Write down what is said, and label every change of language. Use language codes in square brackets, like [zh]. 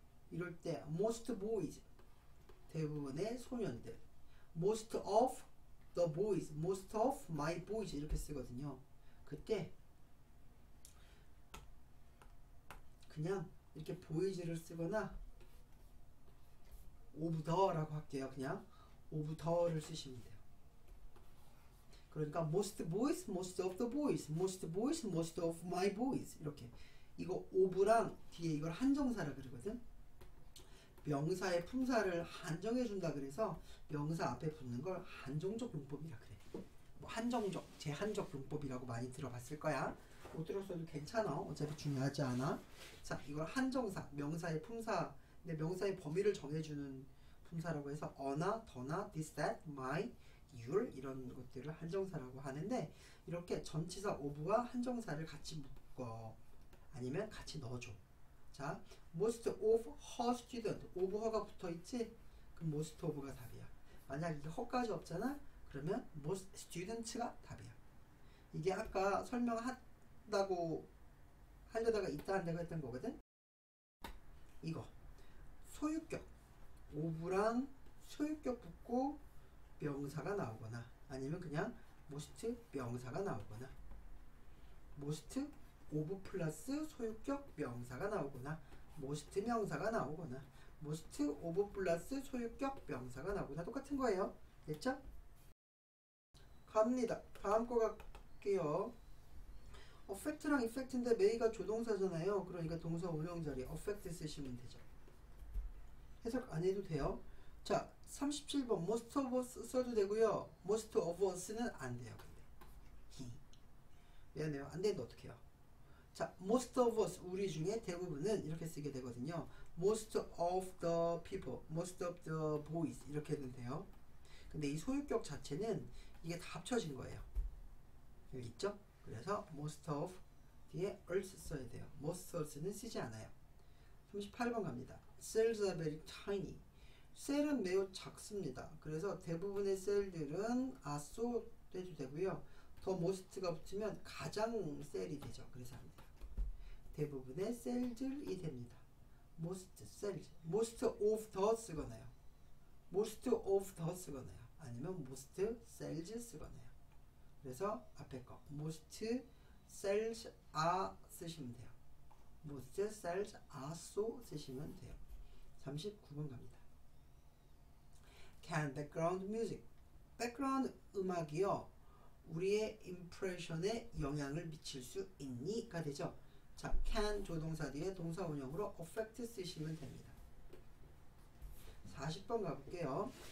[ko] 이럴 때, [en] most boys, [ko] 대부분의 소년들. [en] most of the boys, most of my boys, [ko] 이렇게 쓰거든요. 그때, 그냥 이렇게 boys를 쓰거나, of the라고 할게요. 그냥 of the를 쓰시면 돼요. [en] 그러니까 most boys, most of the boys, most boys, most of my boys 이렇게 이거 of랑 뒤에 이걸 한정사라 그러거든. [ko] 명사의 품사를 한정해 준다 그래서 명사 앞에 붙는 걸 한정적 문법이라 그래. 뭐 한정적, 제한적 문법이라고 많이 들어봤을 거야. 못 들었어도 괜찮아. 어차피 중요하지 않아. 자, 이걸 한정사, 명사의 품사 근데 명사의 범위를 정해주는 품사라고 해서 어나, 더나, this, that, my, your 이런 것들을 한정사라고 하는데 이렇게 전치사 of와 한정사를 같이 묶어 아니면 같이 넣어줘. [en] 자, most of her students, of her가 붙어있지? [ko] 그럼 most of가 답이야. 만약 이게 her까지 없잖아? 그러면 most students가 답이야. 이게 아까 설명한다고 하려다가 있다 한다고 했던 거거든? 이거 소유격, 오브랑 소유격 붙고 명사가 나오거나 아니면 그냥 모스트 명사가 나오거나 모스트 오브 플러스 소유격 명사가 나오거나 모스트 명사가 나오거나 모스트 오브 플러스 소유격 명사가 나오거나 똑같은 거예요. 됐죠? 갑니다. 다음 거 갈게요. 어펙트랑 이펙트인데 메이가 조동사잖아요. 그러니까 동사 운용 자리 어펙트 쓰시면 되죠. 해석 안 해도 돼요. [en] 자, 37번 most of us 써도 되고요. most of us는 안 돼요. [ko] 근데 미안해요. 안 되는데 어떡해요? 자, most of us 우리 중에 대부분은 이렇게 쓰게 되거든요. [en] most of the people, most of the boys [ko] 이렇게 해도 돼요. 근데 이 소유격 자체는 이게 다 합쳐진 거예요. 여기 있죠? 그래서 most of 뒤에 us 써야 돼요. most us는 쓰지 않아요. 38번 갑니다. [en] Cells are very tiny. [ko] 셀은 매우 작습니다. 그래서 대부분의 셀들은 are so 돼도 되고요. the most가 붙으면 가장 셀이 되죠. 그래서 안 돼요. 대부분의 셀들이 됩니다. [en] most cells. most of the 쓰거나요. most of the 쓰거나요. [ko] 아니면 most cells 쓰거나요. 그래서 앞에 거 most cells are 쓰시면 돼요. [en] most cells are so [ko] 쓰시면 돼요. [en] 39번 갑니다. Can background music? [ko] background 음악이요. 우리의 impression에 영향을 미칠 수 있니?가 되죠. 자, can 조동사 뒤에 동사 원형으로 affect 쓰시면 됩니다. 40번 가볼게요.